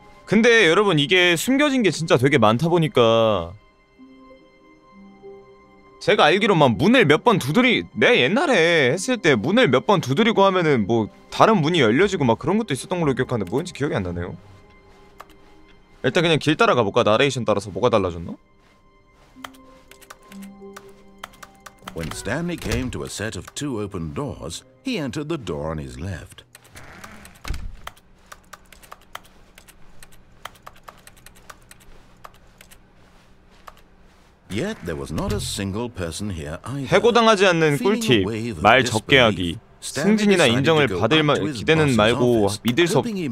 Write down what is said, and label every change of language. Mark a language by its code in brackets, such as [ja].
[ko] 근데 여러분 이게 숨겨진 게 진짜 되게 많다 보니까 제가 알기로만 문을 몇 번 두드리 내 옛날에 했을 때 문을 몇 번 두드리고 하면은 뭐 다른 문이 열려지고 막 그런 것도 있었던 걸로 기억하는데 뭐였는지 기억이 안 나네요. 일단 그냥 길 따라가 볼까? 나레이션 따라서 뭐가 달라졌나? [en] When Stanley came to a set of two open doors, he entered the door on his left. Yet there was not a single person here either. [ko] 해고당하지 않는 꿀팁. 말 적게 하기. 승진이나 인정을 받을 말 기대는 말고 믿을 수 없...